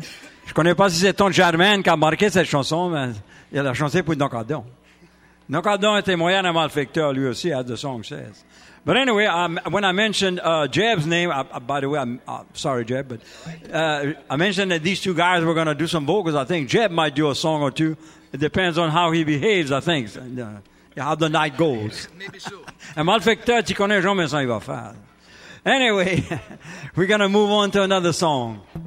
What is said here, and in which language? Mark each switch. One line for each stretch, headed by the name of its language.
French: Je ne connais pas si c'est Tony Jarman qui a marqué cette chanson, mais il a chanté pour Don Cardon. Don Cardon était moyen à malfecteur, lui aussi,
English: as the song says. But anyway, when I mentioned Jeb's name, I mentioned that these two guys were going to do some vocals. I think Jeb might do a song or two. It depends on how he behaves, I think, how the night goes.
French: Un malfecteur, tu connais jamais ce qu'il va faire.
English: Anyway, we're going to move on to another song.